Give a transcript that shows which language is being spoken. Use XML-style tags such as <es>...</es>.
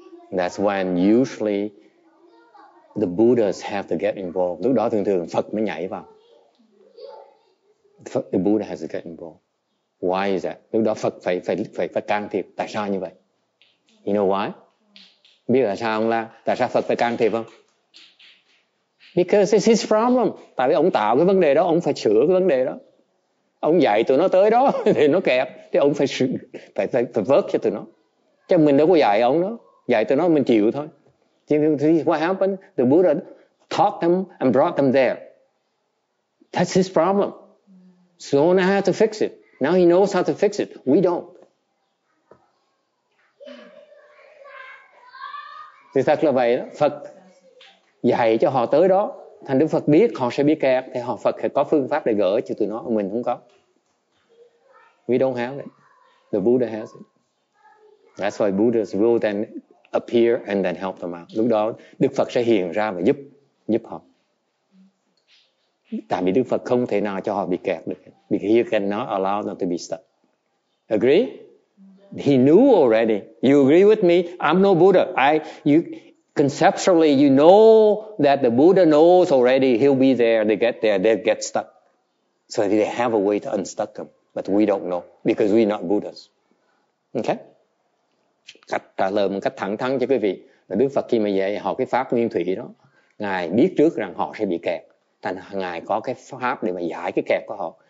<en>That's when usually the Buddhas have to get involved.</en> <vi>Lúc đó thường thường Phật mới nhảy vào.</vi> <en>The Buddha has to get involved. Why is that?</en> <vi>Lúc đó Phật phải can thiệp. Tại sao như vậy?</vi> <en>You know why?</en> <vi>Biết là sao không La? Tại sao Phật phải can thiệp không?</vi> <en>Because it's his problem.</en> <vi>Tại vì ông tạo cái vấn đề đó, ông phải sửa cái vấn đề đó. Ông dạy tụi nó tới đó thì nó kẹp, thì ông phải vớt cho tụi nó. Chứ mình đâu có dạy ông đó, dạy tụi nó mình chịu thôi.</vi> <en>Thì what happened? The Buddha taught them and brought them there. That's his problem. So now I have to fix it. Now he knows how to fix it. We don't.</en> <vi>Thì thật là vậy đó. Phật dạy cho họ tới đó. Thành Đức Phật biết họ sẽ biết kẹt. Thì họ Phật sẽ có phương pháp để gỡ cho tụi nó. Mình không có.</vi> <en>We don't have it. The Buddha has it. That's why Buddhas will then appear and then help them out.</en> <vi>Lúc đó Đức Phật sẽ hiện ra và giúp họ. Tại vì Đức Phật không thể nào cho họ bị kẹt được.</vi> <en>Because he cannot allow them to be stuck. Agree? He knew already. You agree with me? I'm no Buddha. Conceptually, you know that the Buddha knows already he'll be there. They get there, they'll get stuck. So they have a way to unstuck them. But we don't know. Because we're not Buddhas. Okay?</en> <vi>Cách trả lời một cách thẳng thắn cho quý vị. Đức Phật khi mà dạy họ cái pháp nguyên thủy đó, Ngài biết trước rằng họ sẽ bị kẹt. Thành Ngài có cái pháp để mà giải cái kẹt của họ.</vi>